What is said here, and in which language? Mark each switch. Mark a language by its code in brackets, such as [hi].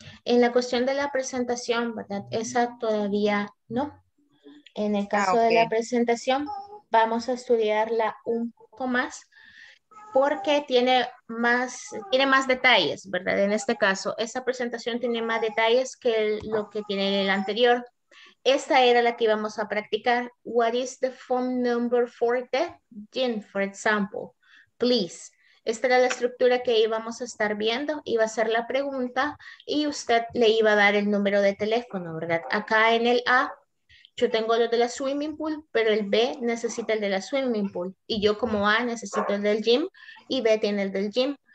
[es] En la cuestión de la presentación, ¿verdad? Esa todavía no. En el caso de la presentación, vamos a estudiarla un poco más. Porque tiene más detalles, ¿verdad? En este caso, esa presentación tiene más detalles que lo que tiene el anterior. Esta era la que íbamos a practicar. [en] What is the phone number for the gym, for example? Please. [es] Esta era la estructura que íbamos a estar viendo. Iba a ser la pregunta y usted le iba a dar el número de teléfono, ¿verdad? Acá en el A, yo tengo lo de la swimming pool, pero el B necesita el de la swimming pool. Y yo como A necesito el del gym y B tiene el del gym.